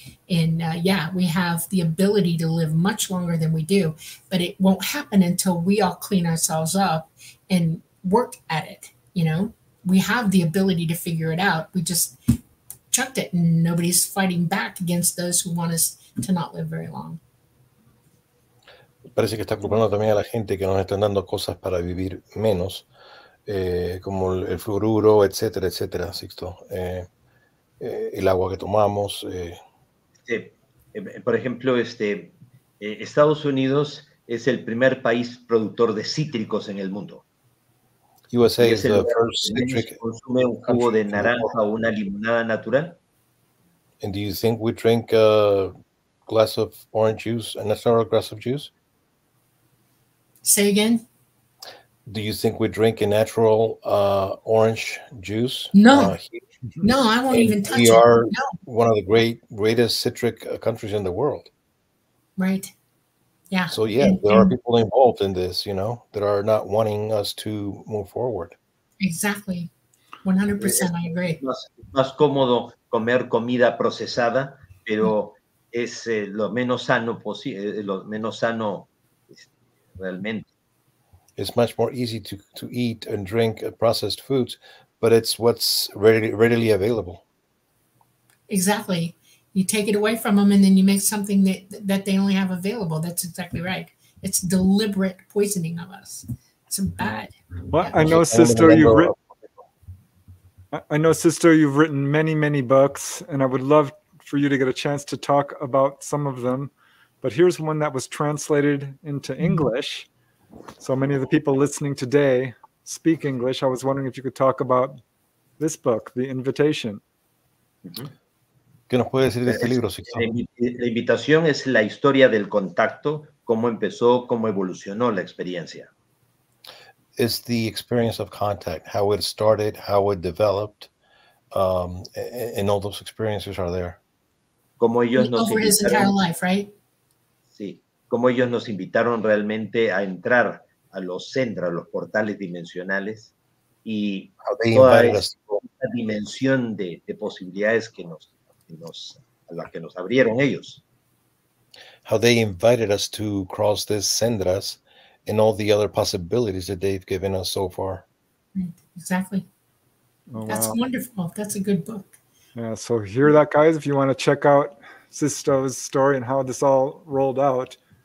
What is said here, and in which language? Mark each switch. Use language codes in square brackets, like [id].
[en] And we have the ability to live much longer than we do, but it won't happen until we all clean ourselves up and work at it. You know, we have the ability to figure it out. We just chucked it, and nobody's fighting back against those who want us to not live very long. [es] Parece que está culpando también a la gente que nos están dando cosas para vivir menos, como el fluoruro, etcétera, etcétera, Sixto. El agua que tomamos. Por ejemplo, Estados Unidos es el primer país productor de cítricos en el mundo. [en] USA is the first citric. [es] ¿Consume un jugo de naranja o una limonada natural? [en] And do you think we drink a glass of orange juice, a natural glass of juice? Say again. Do you think we drink a natural orange juice? No. No, I won't even touch it. We are one of the greatest citric countries in the world. Right. Yeah. So yeah, there are people involved in this, you know, that are not wanting us to move forward. Exactly, 100%. I agree. [es] Más cómodo comer comida procesada, pero es lo menos sano posible, lo menos sano realmente. [en] It's much more easy to eat and drink processed foods, but it's what's readily available. Exactly. You take it away from them, and then you make something that they only have available. That's exactly right. It's deliberate poisoning of us. It's bad. Well, yeah. I know, Sister, you've written many, many books, and I would love for you to get a chance to talk about some of them. But here's one that was translated into English. So many of the people listening today speak English. I was wondering if you could talk about this book, The Invitation. Mm-hmm. [es] ¿Qué nos puede decir de este libro? La invitación es la historia del contacto, cómo empezó, cómo evolucionó la experiencia. [en] It's the experience of contact, how it started, how it developed, and all those experiences are there. [es] Como ellos nos [en] over his entire life, right? [es] Sí, como ellos nos invitaron realmente a entrar a los centros, a los portales dimensionales, y toda esa dimensión de posibilidades que nos abrieron ellos. [en] How they invited us to cross these sendras and all the other possibilities that they've given us so far. Exactly. Oh, that's wow. Wonderful. That's a good book. Yeah, so hear that, guys, if you want to check out Sisto's story and how this all rolled out.